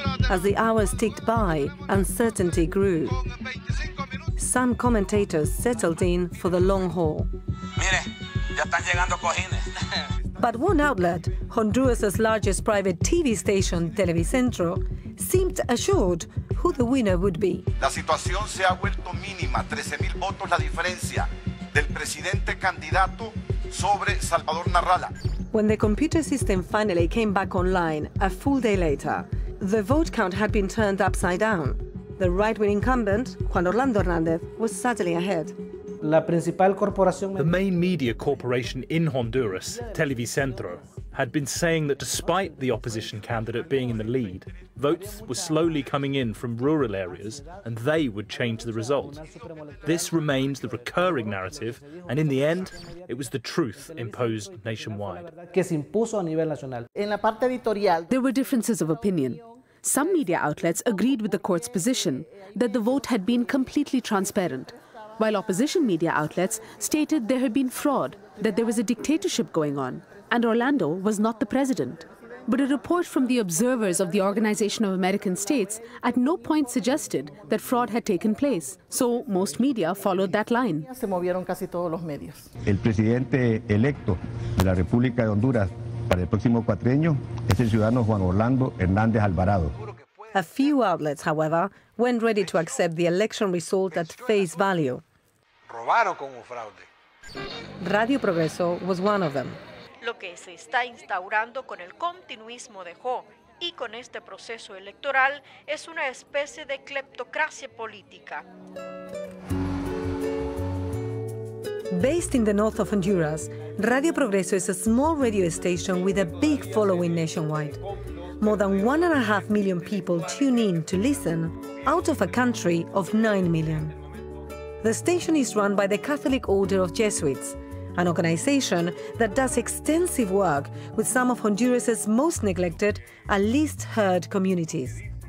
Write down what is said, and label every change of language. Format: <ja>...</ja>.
<en>As the hours ticked by, uncertainty grew. Some commentators settled in for the long haul. But one outlet, Honduras's largest private TV station, Televicentro, seemed assured who the winner would be.</en> <es>La situación se ha vuelto mínima, 13,000 votos la diferencia del presidente candidato sobre Salvador Nasralla.</es> <en>When the computer system finally came back online, a full day later, the vote count had been turned upside down. The right-wing incumbent, Juan Orlando Hernández, was sadly ahead. The main media corporation in Honduras, Televicentro, had been saying that despite the opposition candidate being in the lead, votes were slowly coming in from rural areas and they would change the result. This remained the recurring narrative, and in the end, it was the truth imposed nationwide. There were differences of opinion. Some media outlets agreed with the court's position that the vote had been completely transparent, while opposition media outlets stated there had been fraud, that there was a dictatorship going on, and Orlando was not the president. But a report from the observers of the Organization of American States at no point suggested that fraud had taken place. So most media followed that line.</en> <es>Se movieron casi todos los medios. El presidente electo de la República de Honduras para el próximo cuatrienio es el ciudadano Juan Orlando Hernández Alvarado.</es> <en>A few outlets, however, weren't ready to accept the election result at face value.</en> <es>Robaron con un fraude.</es> <en>Radio Progreso was one of them.</en> <es>Lo que se está instaurando con el continuismo de Jo y con este proceso electoral es una especie de cleptocracia política.</es> <en>Based in the north of Honduras, Radio Progreso is a small radio station with a big following nationwide. More than 1.5 million people tune in to listen out of a country of 9 million. The station is run by the Catholic Order of Jesuits, an organization that does extensive work with some of Honduras's most neglected and least heard communities.</en>